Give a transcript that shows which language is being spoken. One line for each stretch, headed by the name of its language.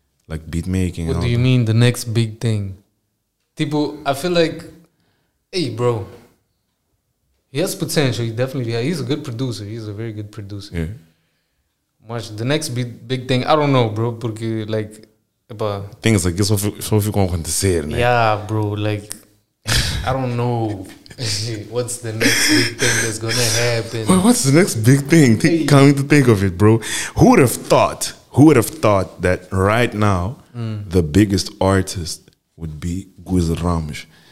English: Like beat making? What do you mean the next big thing? Tipo, I feel like, hey, bro. He has potential. He definitely has. He's a good producer. He's a very good producer. Yeah. Mas the next big thing, I don't know, bro.
Portuguese: Porque, like, epa.
English: Things like
Portuguese: isso só ficam a acontecer, né?
English: Yeah, bro. Like, I don't know. What's the next big thing that's gonna happen? Well, what's the next big thing? Coming to think of it, bro, who would have thought that right now the biggest artist would be Guiz Ramos?